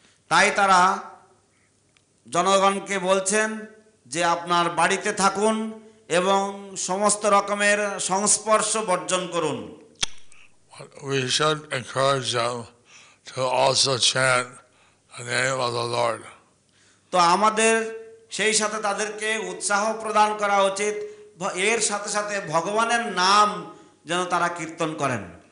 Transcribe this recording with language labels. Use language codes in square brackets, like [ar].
[bn] তাই তারা জনগণকে বলছেন যে আপনার বাড়িতে থাকুন এবং সমস্ত রকমের সংস্পর্শ বর্জন করুন। [en] We should encourage them to also chant the name of the Lord. [bn] তো আমাদের সেই সাথে তাদেরকে উৎসাহ প্রদান করা উচিত, এর সাথে সাথে ভগবানের নাম যেন তারা কীর্তন করেন।